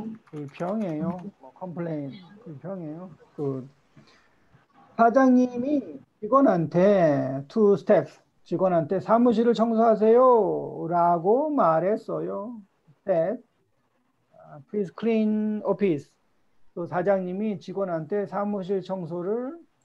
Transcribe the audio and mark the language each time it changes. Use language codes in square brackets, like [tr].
[ko] 불평해요. 컴플레인, 불평해요. [en] Good. [ko] 사장님이 직원한테 [en] two steps. [ko] 직원한테 사무실을 청소하세요 라고 말했어요. [en] That, please clean office. [ko] 또 사장님이 직원한테 사무실 청소를